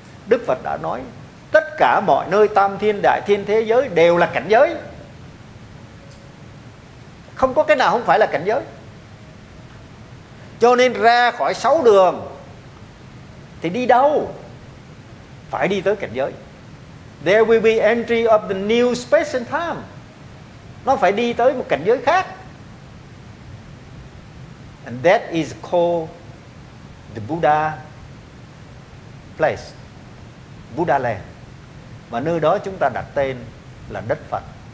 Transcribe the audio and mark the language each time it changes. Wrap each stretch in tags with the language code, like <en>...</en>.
<vi>Đức Phật đã nói tất cả mọi nơi tam thiên đại thiên thế giới đều là cảnh giới. Không có cái nào không phải là cảnh giới. Cho nên ra khỏi sáu đường thì đi đâu? Phải đi tới cảnh giới.</vi> <en>There will be entry of the new space and time.</en> <vi>Nó phải đi tới một cảnh giới khác.</vi> <en>And that is called the Buddha place, Buddha land.</en> <vi>Và nơi đó chúng ta đặt tên là đất Phật.</vi>